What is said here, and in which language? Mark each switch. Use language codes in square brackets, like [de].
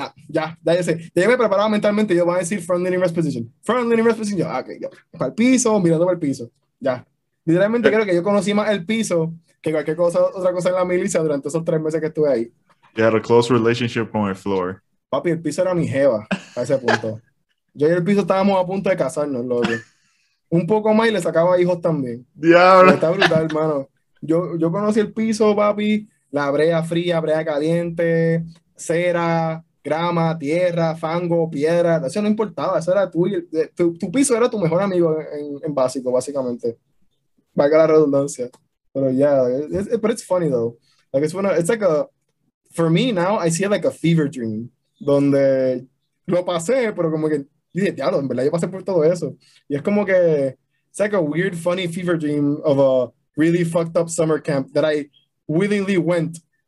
[es] ya me preparaba mentalmente, yo voy a decir front leaning rest position, yo, para el piso, mirando para el piso, ya, literalmente creo que yo conocí más el piso que cualquier cosa, otra cosa en la milicia durante esos 3 meses que estuve ahí. [en] You had a close relationship on the floor. [es] Papi, el piso era mi jeva, a ese punto. Yo y el piso estábamos a punto de casarnos, loco. Un poco más y le sacaba hijos también. ¡Diablo! Está brutal, hermano. Yo conocí el piso, papi. La brea fría, brea caliente, cera, grama, tierra, fango, piedra. Eso no importaba. Eso era tu piso era tu mejor amigo en básico, básicamente. Valga la redundancia. Pero [en] it's funny, though. Like, for me, now, I see it like a fever dream. [es] Donde lo pasé, pero como que... dije, diablo, en verdad yo pasé por todo eso. Y es como que, [en] it's like a weird, funny fever dream of a really fucked up summer camp that I willingly went.